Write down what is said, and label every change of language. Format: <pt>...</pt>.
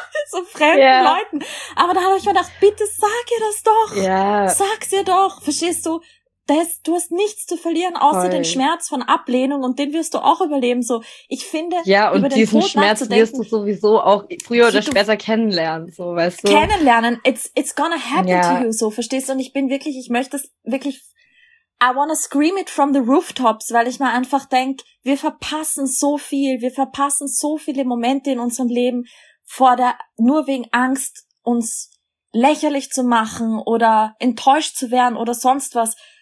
<de>So fremden Leuten. Aber da habe ich mir gedacht, bitte sag ihr das doch, sag's ihr doch, verstehst du? Du hast nichts zu verlieren, außer den Schmerz von Ablehnung, und den wirst du auch überleben. So, ich finde, Und über diesen Schmerz wirst du sowieso auch früher oder später kennenlernen. So, weißt du? Kennenlernen,</de> <en>it's gonna happen to you.</en> <de>So, verstehst du? Und ich bin wirklich, ich möchte das wirklich.</de> <en>I wanna scream it from the rooftops,</en> <de>weil ich mir einfach denke, wir verpassen so viel, wir verpassen so viele Momente in unserem Leben nur wegen Angst, uns lächerlich zu machen oder enttäuscht zu werden oder sonst was.</de>